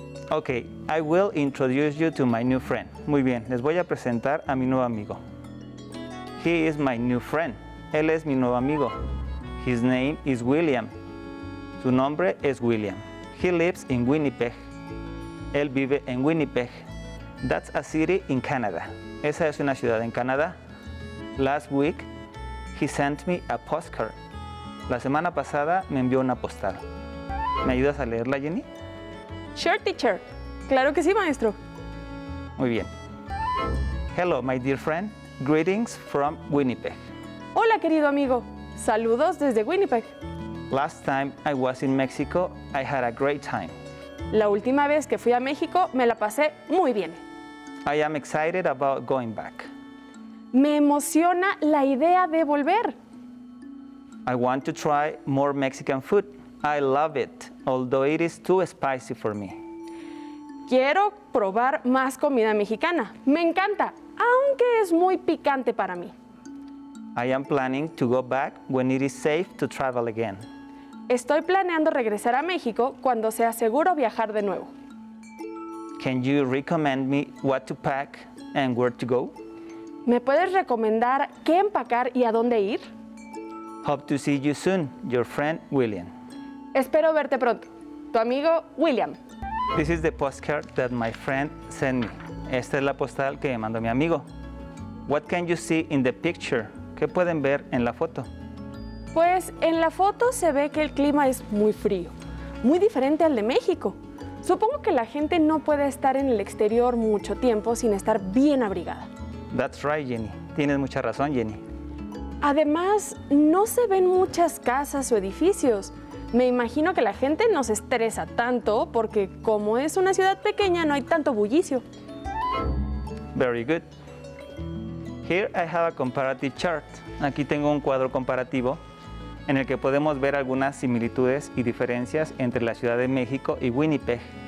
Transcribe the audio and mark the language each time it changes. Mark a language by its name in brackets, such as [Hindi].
[English] Okay, I will introduce you to my new friend. [Spanish] Muy bien, les voy a presentar a mi nuevo amigo. [English] He is my new friend. [Spanish] Él es mi nuevo amigo. [English] His name is William. [Spanish] Su nombre es William. [English] He lives in Winnipeg. [Spanish] Él vive en Winnipeg. [English] That's a city in Canada. [Spanish] Esa es una ciudad en Canadá. [English] Last week, he sent me a postcard. [Spanish] La semana pasada me envió una postal. ¿Me ayudas a leerla, Jenny? [English] Sure, teacher. [Spanish] Claro que sí, maestro. Muy bien. [English] Hello, my dear friend. Greetings from Winnipeg. [Spanish] Hola, querido amigo. Saludos desde Winnipeg. [English] Last time I was in Mexico, I had a great time. [Spanish] La última vez que fui a México, me la pasé muy bien. [English] I am excited about going back. [Spanish] Me emociona la idea de volver. [English] I want to try more Mexican food. I love it, although it is too spicy for me. [Spanish] Quiero probar más comida mexicana. Me encanta, aunque es muy picante para mí. [English] I am planning to go back when it is safe to travel again. [Spanish] Estoy planeando regresar a México cuando sea seguro viajar de nuevo. [English] Can you recommend me what to pack and where to go? [Spanish] ¿Me puedes recomendar qué empacar y a dónde ir? [English] Hope to see you soon, your friend William. [Spanish] Espero verte pronto. Tu amigo William. [English] This is the postcard that my friend sent me. [Spanish] Esta es la postal que me mandó mi amigo. [English] What can you see in the picture? [Spanish] ¿Qué pueden ver en la foto? Pues en la foto se ve que el clima es muy frío, muy diferente al de México. Supongo que la gente no puede estar en el exterior mucho tiempo sin estar bien abrigada. [English] That's right, Jenny. [Spanish] Tienes mucha razón, Jenny. Además, no se ven muchas casas o edificios. Me imagino que la gente no se estresa tanto porque como es una ciudad pequeña, no hay tanto bullicio. [English] Very good. Here I have a comparative chart. [Spanish] Aquí tengo un cuadro comparativo en el que podemos ver algunas similitudes y diferencias entre la Ciudad de México y Winnipeg.